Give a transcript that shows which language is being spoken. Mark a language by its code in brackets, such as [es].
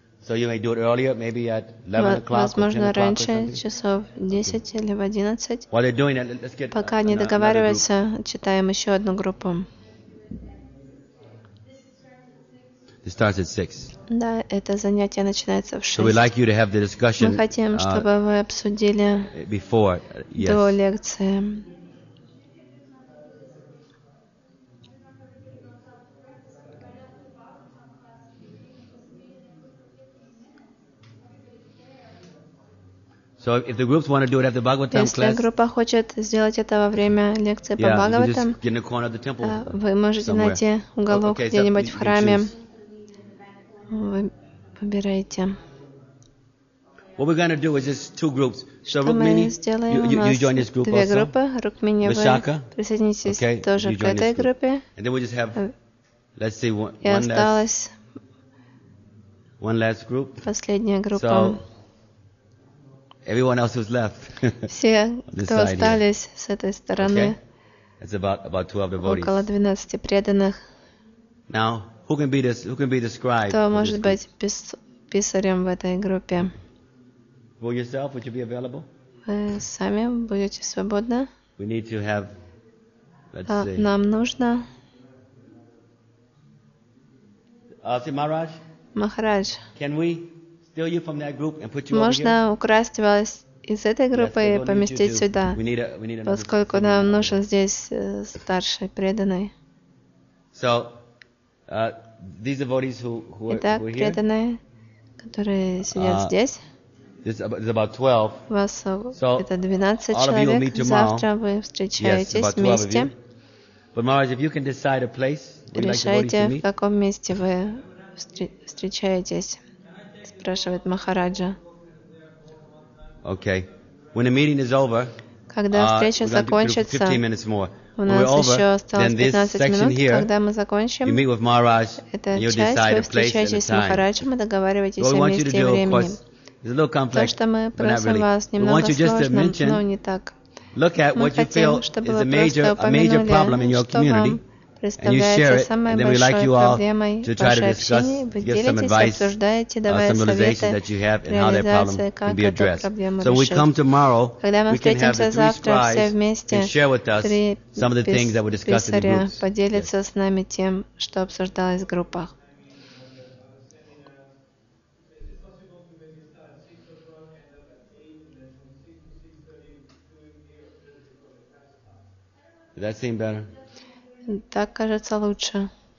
[en] So you may do it earlier, maybe at 11 o'clock. [ru] Возможно, [en] or 10 [ru] раньше, часов 10 или в 11. [en] While they're doing it, let's get. [ru] Пока не договариваются, читаем еще одну группу. [en] It starts at 6. [ru] Да, это занятие начинается в 6. [en] So we'd like you to have the discussion. [ru] Мы хотим, чтобы вы обсудили [en] before, yes. [ru] До лекции. [en] So if the groups want to do it after Bhagavatam class, [ru] если группа хочет сделать это во время лекции по Бхагаватам, вы можете найти уголок где-нибудь в храме. Вы выбираете. [en] What we're gonna do is just two groups. So Rukmini, [ru] мы сделаем? [en] You join this group [ru] две группы. [en] Also? Rukmini, Vishaka, [ru] вы присоединитесь okay, тоже к этой group. Группе. [en] And then we just have, let's see, one, [ru] и осталось [en] one last group. [ru] Последняя группа. [en] So, everyone else who's left. [ru] Все, кто остались [en] here. [ru] С этой стороны. [en] Okay. It's about 12 devotees. [ru] Около 12 преданных. [en] Now. Who can be this? Who can be the scribe? [ru] Кто может быть писарем в этой группе? [en] For yourself, would you be available? [ru] Вы сами будете свободны? [en] We need to have. Let's see. [ru] Нам нужно. [en] See, Maharaj. Maharaj. Can we steal you from that group and put you [ru] можно [en] over here? [ru] Можно украсть вас из этой группы [en] yes, [ru] и поместить сюда, [en] we need [ru] поскольку нам нужен здесь старший преданный. [en] So. These devotees who are [ru] итак, [en] here. [ru] Преданные, которые сидят здесь. [en] There's about 12. [ru] Вас [en] so, [ru] это 12 человек. Завтра вы встречаетесь [en] yes, [ru] вместе. [en] But Maharaj, if you can decide a place, [ru] решайте, [en] like [ru] в каком месте вы встречаетесь? Спрашивает Махараджа. [en] Okay. When the meeting is over, [ru] когда встреча закончится, [en] 15 minutes more. [ru] У нас еще осталось 15 минут, когда мы закончим. [en] You meet with Maharaj, [ru] эта часть, вы встречаетесь с Махараджем и договариваетесь о месте и времени. То, что мы просим вас, немного сложно, но не так. [en] Look at what you feel is a major problem in your community, and you share it, and then we'd like you all to try to discuss, give some advice, some realizations that you have, and how that problem can be addressed. So we come tomorrow, we can have the three scribes and share with us some of the things that were discussed in the groups. [ru] Поделиться с нами тем, что обсуждалось в группах. [en] That seem better? [ru] Так кажется лучше.